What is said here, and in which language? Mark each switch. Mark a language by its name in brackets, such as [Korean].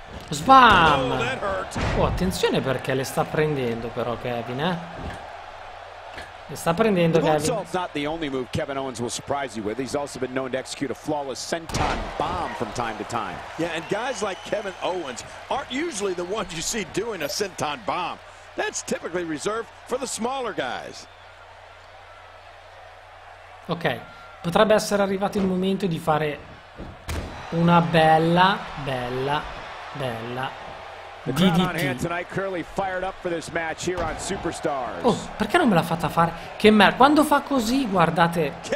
[Italian] Sbam! Oh, attenzione, perché le sta prendendo però Kevin, eh. Le sta prendendo Kevin. [English] The moonsault's not the only move Kevin Owens will surprise you with. He's also been known to execute a flawless senton bomb from time to time. Yeah, and guys like Kevin Owens aren't usually the ones you see doing a senton bomb. That's typically reserved for the smaller guys. [Italian] Ok, potrebbe essere arrivato il momento di fare una bella, bella, bella DDT. Oh, perché non me l'ha fatta fare? Che merda, quando fa così, guardate.